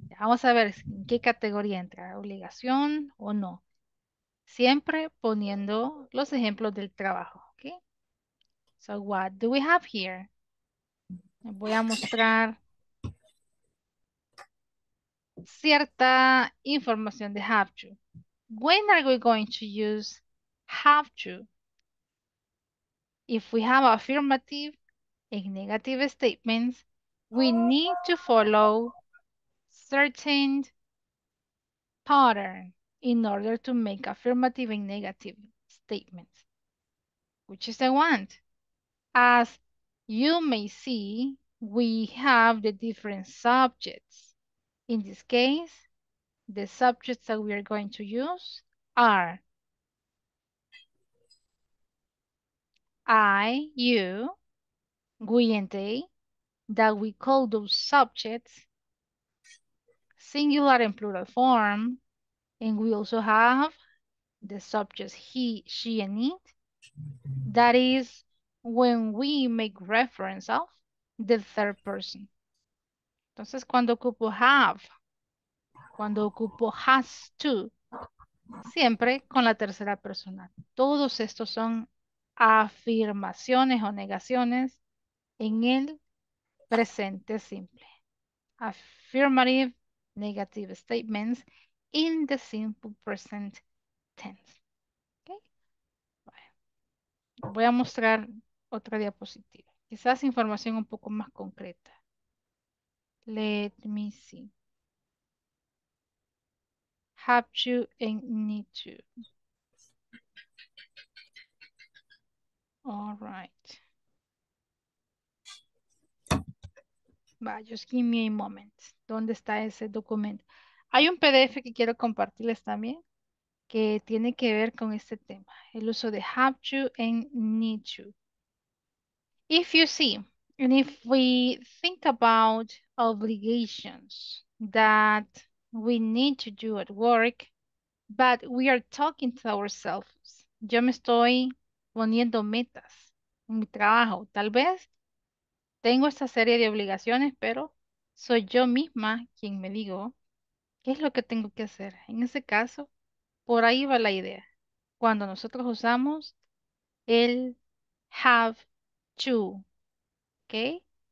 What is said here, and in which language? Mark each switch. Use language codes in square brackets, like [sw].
[es] Vamos a ver en qué categoría entra, obligación o no. Siempre poniendo los ejemplos del trabajo, ¿okay? [en] So what do we have here? [es] Voy a mostrar cierta información de [en] have to. When are we going to use have to? If we have affirmative and negative statements, we need to follow certain pattern in order to make affirmative and negative statements. Which is the one? As you may see, we have the different subjects. In this case, the subjects that we are going to use are I, you, we, and they, that we call those subjects singular and plural form. And we also have the subjects he, she, and it. That is when we make reference of the third person. [es] Entonces, cuando ocupo have, cuando ocupo has to, siempre con la tercera persona. Todos estos son afirmaciones o negaciones en el presente simple. [en] Affirmative, negative statements in the simple present tense. Okay? [es] Bueno, voy a mostrar otra diapositiva. Quizás información un poco más concreta. [en] Let me see. Have to and need to. All right. Just give me a moment. [es] ¿Dónde está ese documento? Hay un PDF que quiero compartirles también que tiene que ver con este tema. El uso de [en] have to and need to. If you see, and if we think about obligations that we need to do at work, but we are talking to ourselves. [es] Yo me estoy poniendo metas en mi trabajo. Tal vez tengo esta serie de obligaciones, pero soy yo misma quien me digo qué es lo que tengo que hacer. En ese caso, por ahí va la idea. Cuando nosotros usamos el have to, ¿ok?